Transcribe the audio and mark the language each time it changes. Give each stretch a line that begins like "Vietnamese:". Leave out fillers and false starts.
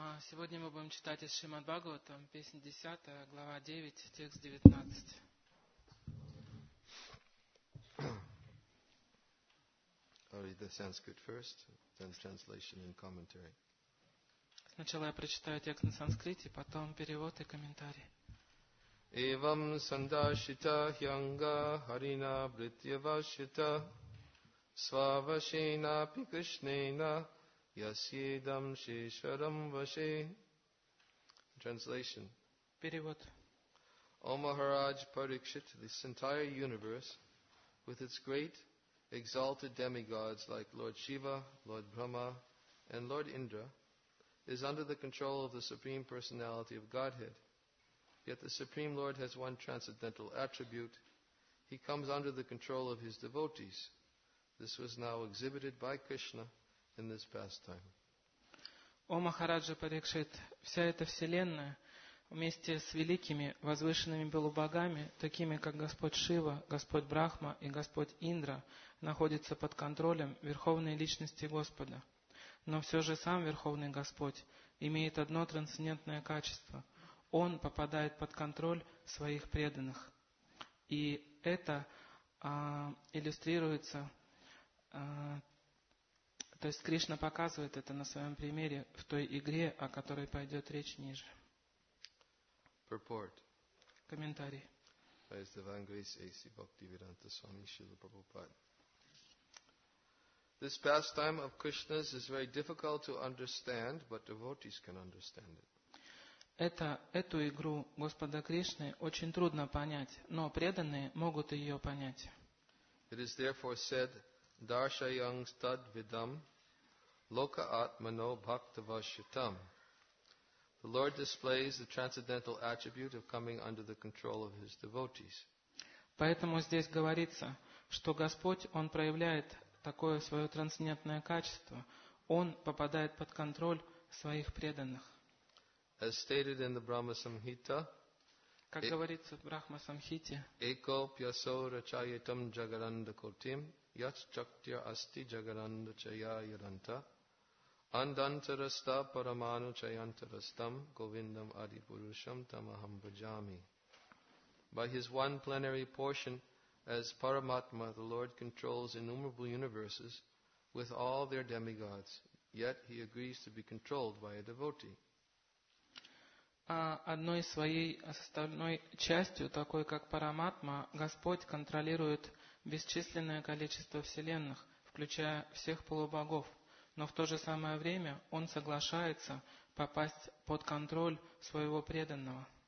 Russian: Сегодня мы будем читать из Шримад Бхагаватам, песня 10, глава 9, текст 19.
English: I'll read the Sanskrit first, then translation and commentary.
Russian: Сначала я прочитаю текст на санскрите, потом перевод и комментарий.
Sanskrit: Evam sandashita hyanga harina vrityavashita svavashena pikrishnena yasyedam shesharam vashe.
English: Translation.
Russian: Перевод.
English: O Maharaj Parikshit, this entire universe, with its great exalted demigods like Lord Shiva, Lord Brahma, and Lord Indra, is under the control of the Supreme Personality of Godhead. Yet the Supreme Lord has one transcendental attribute. He comes under the control of his devotees. This was now exhibited by Krishna in this pastime.
Russian: О Махараджа Парикшит, вся эта вселенная вместе с великими возвышенными полубогами, такими как Господь Шива, Господь Брахма и Господь Индра, находится под контролем Верховной Личности Господа. Но все же сам Верховный Господь имеет одно трансцендентное качество – Он попадает под контроль своих преданных. И это иллюстрируется, то есть Кришна показывает это на своем примере в той игре, о которой пойдет речь ниже.
English: Purport.
Russian: Комментарий.
English: Praise the divine grace, A.C. Bhaktivedanta Swami Srila Prabhupada. This pastime of Krishna's is very difficult to understand, but devotees can understand it.
Russian: Эту игру Господа Кришны очень трудно понять, но преданные могут ее понять.
English: It is therefore said,
Sanskrit: darshayang tad vidam loka atmano bhaktavashitam.
English: The Lord displays the transcendental attribute of coming under the control of his devotees.
Russian: Поэтому здесь говорится, что Господь, Он проявляет такое свое трансцендентное качество, Он попадает под контроль своих преданных.
English: As stated in the Brahma Samhita,
Russian: как говорится в Брахма Самхите,
Sanskrit: Eko pyaso rachayatam jagaranda kotim, yach chaktya asti jagaranda chaya yaranta, andantarasta paramanu chayantarastam govindam adipurusham tamaham bhajami.
English: By his one plenary portion as Paramatma, the Lord controls innumerable universes with all their demigods, yet he agrees to be controlled by a devotee.
Russian: Одной своей составной частью, такой как Параматма, Господь контролирует бесчисленное количество вселенных, включая всех полубогов. Но в то же самое время Он соглашается попасть под контроль своего преданного.